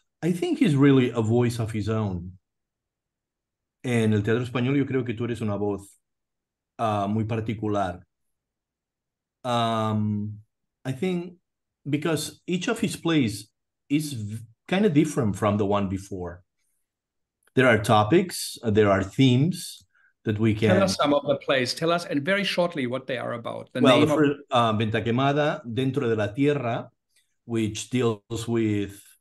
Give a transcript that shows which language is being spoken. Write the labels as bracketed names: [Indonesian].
[English] I think he's really a voice of his own. [Spanish] En el teatro español, yo creo que tú eres una voz muy particular. [English] I think. Because each of his plays is kind of different from the one before. There are topics, there are themes that we can... Tell us some of the plays. Tell us, and very shortly, what they are about. Venta Quemada, Dentro de la Tierra, which deals with...